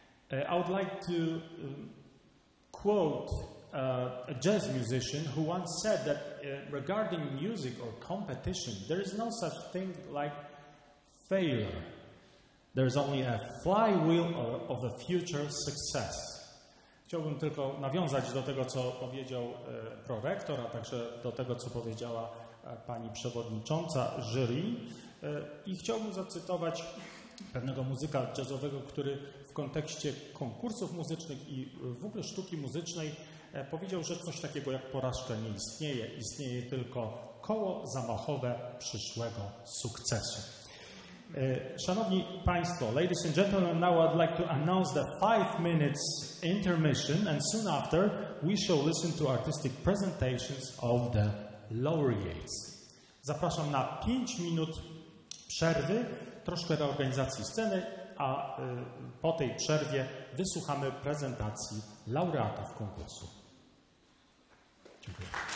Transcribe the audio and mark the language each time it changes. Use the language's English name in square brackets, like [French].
[English] I would like to quote a jazz musician who once said that regarding music or competition, there is no such thing like failure. There is only a flywheel of a future success. [Polish] Chciałbym tylko nawiązać do tego, co powiedział prorektor, a także do tego, co powiedziała pani przewodnicząca jury. I chciałbym zacytować pewnego muzyka jazzowego, który w kontekście konkursów muzycznych i w ogóle sztuki muzycznej powiedział, że coś takiego jak porażka nie istnieje. Istnieje tylko koło zamachowe przyszłego sukcesu. Szanowni Państwo, [English] ladies and gentlemen, now I'd like to announce the 5 minutes intermission and soon after we shall listen to artistic presentations of the laureates. [Polish] Zapraszam na 5 minut przerwy, troszkę reorganizacji sceny, a po tej przerwie wysłuchamy prezentacji laureatów konkursu. Dziękuję.